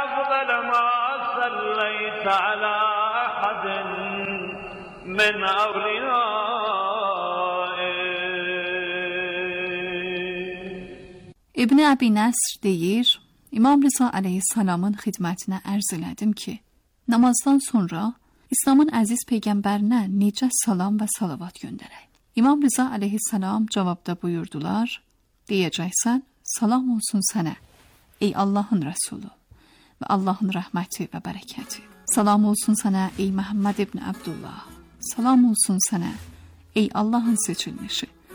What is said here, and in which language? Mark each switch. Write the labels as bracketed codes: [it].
[ar] بعد ما صليت على أحد من أوليائي. [az] ابن أبي نصر دير İmam Rıza Aleyhisselam'ın hizmetine arz eledim ki, namazdan sonra İslam'ın aziz peygamberine nice salam ve salavat göndereyim. İmam Rıza Aleyhisselam cevapta buyurdular, diyeceksen salam olsun sana, ey Allah'ın Resulü ve Allah'ın rahmeti ve bereketi. Salam olsun sana, ey Muhammed İbni Abdullah. Salam olsun sana, ey Allah'ın seçilmişi.